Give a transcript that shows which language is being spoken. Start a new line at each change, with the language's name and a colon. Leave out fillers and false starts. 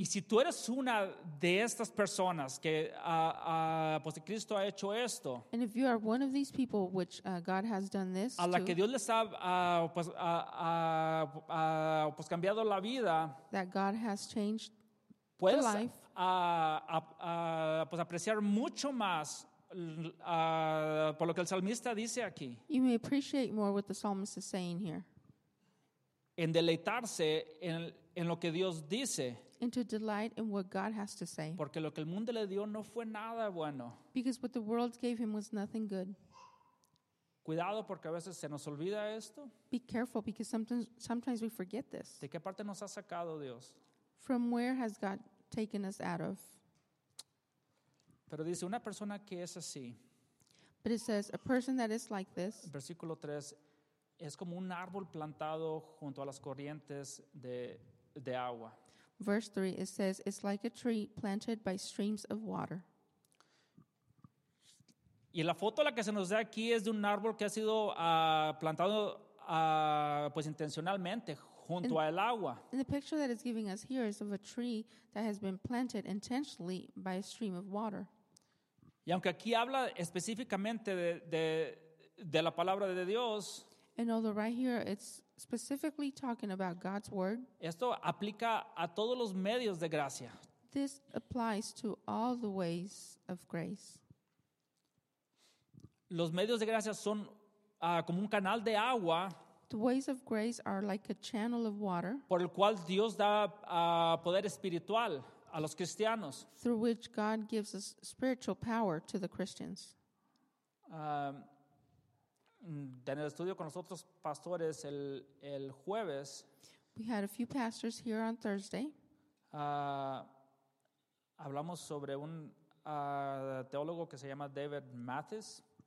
Spanish: Y si tú eres una de estas personas que pues Cristo ha hecho esto.
English: And if you are one of these people which God has done this
Spanish: a la
English: to,
Spanish: que Dios les ha pues cambiado la vida.
English: That God has changed
Spanish: puedes,
English: life.
Spanish: Pues apreciar mucho más por lo que el salmista dice aquí.
English: You may appreciate more what the psalmist is saying here.
Spanish: En deleitarse en lo que Dios dice.
English: And to delight in what God has to say.
Spanish: Porque lo que el mundo le dio no fue nada bueno.
English: Because what the world gave him was nothing good.
Spanish: Cuidado porque a veces se nos olvida esto.
English: Be careful because sometimes we forget this.
Spanish: ¿De qué parte nos ha sacado Dios?
English: From where has God taken us out of?
Spanish: Pero dice una persona que es así.
English: But it says a person that is like this.
Spanish: Versículo 3. Es como un árbol plantado junto a las corrientes de agua.
English: Verse 3, it says, it's like a tree planted by streams of water.
Spanish: Y la foto la que se nos da aquí es de un árbol que ha sido plantado pues intencionalmente junto al agua.
English: And the picture that it's giving us here is of a tree that has been planted intentionally by a stream of water.
Spanish: Y aunque aquí habla específicamente de la palabra de Dios.
English: And although right here it's specifically talking about God's word.
Spanish: Esto aplica a todos los medios de gracia.
English: This applies to all the ways of grace.
Spanish: Los medios de gracia son como un canal de agua.
English: The ways of grace are like a channel of water.
Spanish: Por el cual Dios da poder espiritual a los cristianos.
English: Through which God gives us spiritual power to the Christians.
Spanish: En el estudio con nosotros pastores el jueves.
English: We had a few pastors here on Thursday.
Spanish: Hablamos sobre un teólogo que se llama David Mathis.